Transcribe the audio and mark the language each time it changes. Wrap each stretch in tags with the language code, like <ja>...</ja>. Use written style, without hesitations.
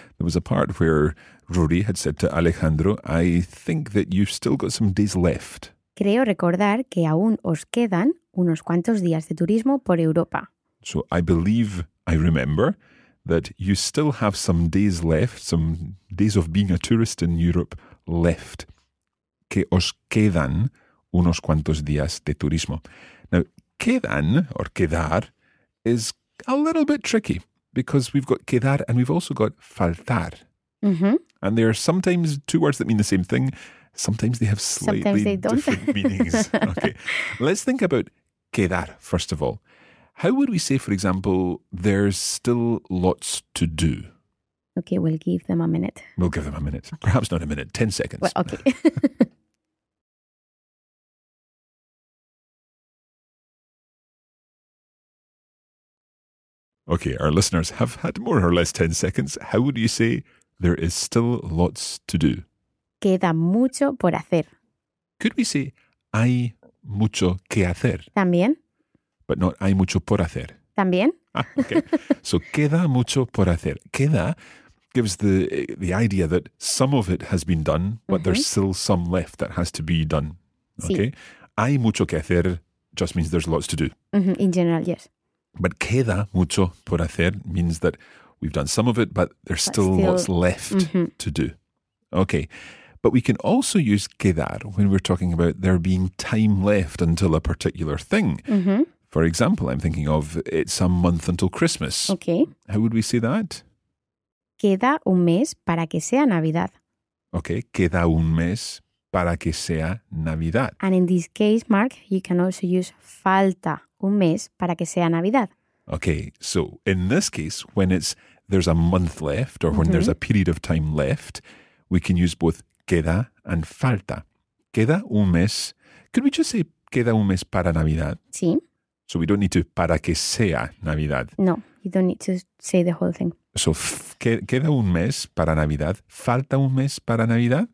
<en>There was a part where Ruri had said to Alejandro, I think that you've still got some days left.</en> <es>Creo recordar que aún os quedan unos cuantos días de turismo por Europa.</es> <en>So I believe, I remember that you still have some days left, some days of being a tourist in Europe left.</en> <es>Que os quedan unos cuantos días de turismo.</es> <en>Now, quedan or quedar is a little bit tricky because we've got quedar and we've also got faltar. Mm-hmm. And there are sometimes two words that mean the same thing. Sometimes they have slightly different meanings. Okay, let's think about quedar first of all. How would we say, for example, there's still lots to do? Okay, we'll give them a minute. We'll give them a minute. Okay. Perhaps not a minute, 10 seconds. Well, okay. Okay, our listeners have had more or less 10 seconds. How would you say there is still lots to do?</en> <es>Queda mucho por hacer.</es> <en>Could we say</en> <es>hay mucho que hacer? También.</es> <en>But not</en> <es>hay mucho por hacer. También.</es> <en>Ah, okay.</en> <es>So queda mucho por hacer.</es> <en>Queda gives the idea that some of it has been done, but mm-hmm. there's still some left that has to be done. Okay.</en> <es>Sí. Hay mucho que hacer</es> <en>just means there's lots to do. Mm-hmm. In general, yes. But queda mucho por hacer means that we've done some of it, but there's still lots left mm-hmm. to do. Okay. But we can also use quedar when we're talking about there being time left until a particular thing. Mm-hmm. For example, I'm thinking of it's a month until Christmas. Okay. How would we say that?</en> <es>Queda un mes para que sea Navidad.</es> <en>Okay.</en> <es>Queda un mes para que sea Navidad.</es> <en>And in this case, Mark, you can also use</en> <es>falta un mes para que sea Navidad.</es> <en>Okay. So in this case, when it's there's a month left or mm-hmm. when there's a period of time left, we can use both queda and falta.</en> <es>Queda un mes.</es> <en>Could we just say</en> <es>queda un mes para Navidad? Sí.</es> <en>So we don't need to,</en> <es>para que sea Navidad.</es> <en>No, you don't need to say the whole thing.</en> <es>So queda un mes para Navidad, falta un mes para Navidad.</es>